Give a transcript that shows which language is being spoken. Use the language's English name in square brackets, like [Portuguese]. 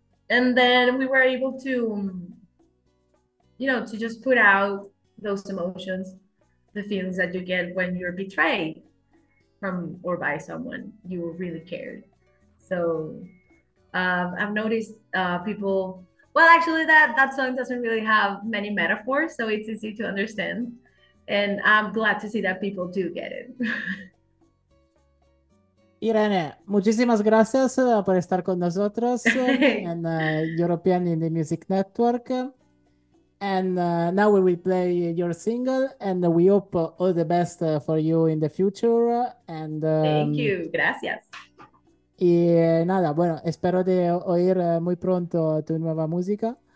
[English] And then we were able to, you know, to just put out those emotions, the feelings that you get when you're betrayed from or by someone you really cared. So I've noticed people, well, actually that song doesn't really have many metaphors, so it's easy to understand. And I'm glad to see that people do get it. [Spanish] Irene, muchísimas gracias por estar con nosotros en European Indie Music Network. [English] And now we will play your single, and we hope all the best for you in the future. And thank you, gracias. [Spanish] Y nada, bueno, espero de oír muy pronto tu nueva música.